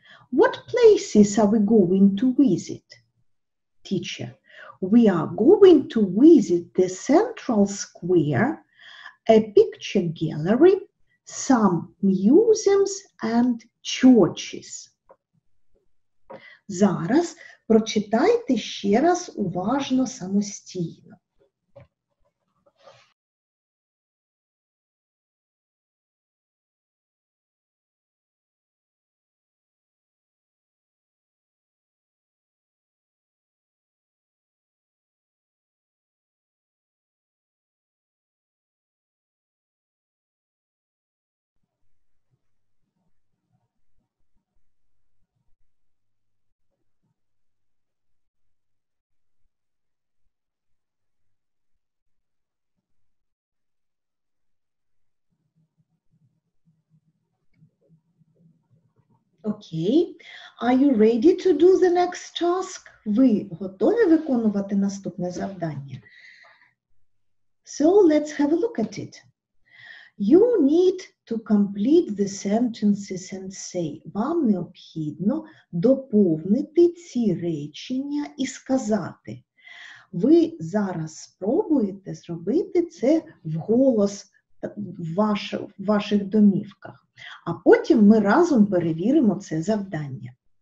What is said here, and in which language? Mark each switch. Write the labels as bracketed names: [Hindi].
[English] What places are we going to visit? Teacher. We are going to visit the central square, a picture gallery, some museums and churches. [Ukrainian] Зараз прочитайте ще раз уважно самостійно. [English] Окей. Okay. Are you ready to do the next task? [Ukrainian] Ви готові виконувати наступне завдання? [English] So, let's have a look at it. You need to complete the sentences and say. [Ukrainian] Вам необхідно доповнити ці речення і сказати. Ви зараз спробуєте зробити це вголос в ваших домівках. А потім ми разом перевіримо це завдання.